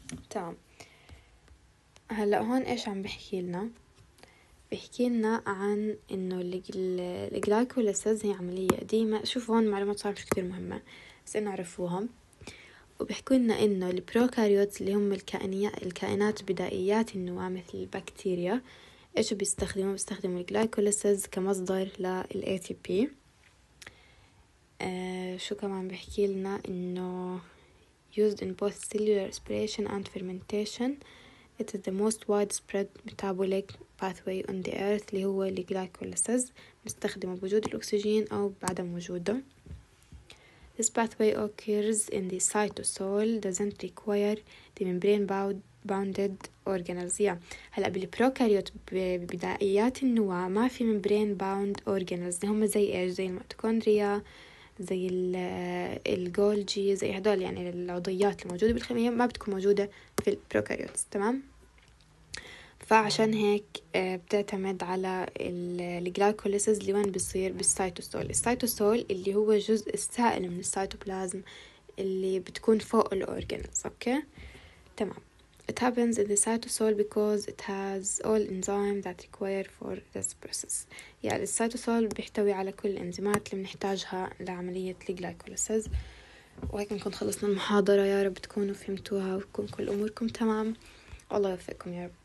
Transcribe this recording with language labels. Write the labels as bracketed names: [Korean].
[Arabic] تمام، هلا هون ايش عم بحكي لنا؟ بحكي لنا عن انه الجلايكوليسز هي عمليه قديمه. شوف هون معلومات صار مش كتير مهمه بس نعرفوهم. وبحكوا لنا انه البروكاريوت اللي هم الكائنات بدائيات النواه مثل البكتيريا، ايش بيستخدموا؟ بيستخدموا الجلايكوليسز كمصدر للـ ATP. شو كمان بحكي لنا؟ انه [English] used in both cellular respiration and fermentation. It is the most widespread metabolic pathway on the earth، [Arabic] اللي هو الجلايكوليسز، مستخدمه بوجود الاكسجين او بعدم وجوده. [English] This pathway occurs in the cytosol، doesn't require the membrane bounded organelles. [Arabic] هلا بالبروكاريوت ببدائيات النواة ما في membrane bound organelles، هم زي ايش؟ زي الميتوكوندريا، زي الجولجي، زي هدول يعني العضيات الموجودة بالخلية ما بتكون موجودة في البروكاريوت. تمام، فعشان هيك بتعتمد على الجلايكوليسز اللي وين بيصير؟ بالسيتوسول. السيتوسول اللي هو جزء السائل من السيتوبلازم اللي بتكون فوق الأورجانز. اوكي، تمام. [English] It happens in the cytosol because it has all enzymes that require for this process. [Arabic] يعني السيتوسول بيحتوي على كل الانزيمات اللي بنحتاجها لعملية الجلايكوليسز. وهيك نكون خلصنا المحاضرة، يا رب تكونوا فهمتوها وتكون كل أموركم تمام. الله يوفقكم يا رب.